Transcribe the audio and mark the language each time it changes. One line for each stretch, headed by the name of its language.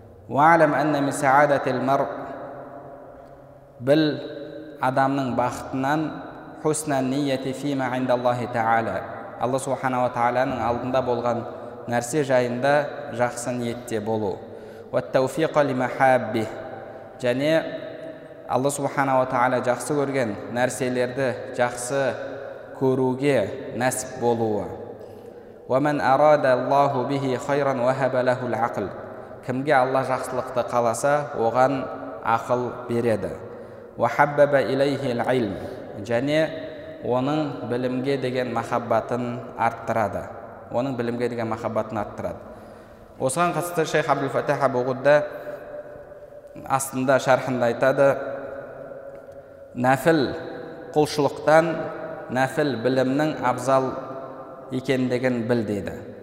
Arabic: وَعَلَمْ أَنَّ مِنْ سَعَادَةِ الْمَرْءِ
Kazakh: біл адамның бақытынан
Arabic: حُسْنَ النِّيَّةِ فِي مَا عِنْدَ اللَّهِ تَعَالَى
Kazakh: Алла Субхана ва Тааланың алдында болған нәрсе жайында жақсы ниетте болу.
Arabic: وَالتَّوْفِيقَ لِمَحَابِّهِ
Kazakh: және Алла Субхана ва Тааля жақсы көрген нәрселерді жақсы көруге нәсіп болуы.
Arabic: وَمَنْ أَرَادَ اللَّهُ بِهِ خَيْرًا وَهَبَ لَهُ الْعَقْلِ
Kazakh: кімге Алла жақсылықты қаласа, оған ақыл береді.
Arabic: وَحَبَّبَ إِلَيْهِ الْعِلْمِ
Kazakh: және оның білімге деген махаббатын арттырады. Оның білімге деген махаббатын арттырады. Осыған қатысты Шейх Абдул-Фатаха Бугудда астында шархында айтады, нәфіл құлшылықтан нәфіл білімнің абзал екендігін біл дейді.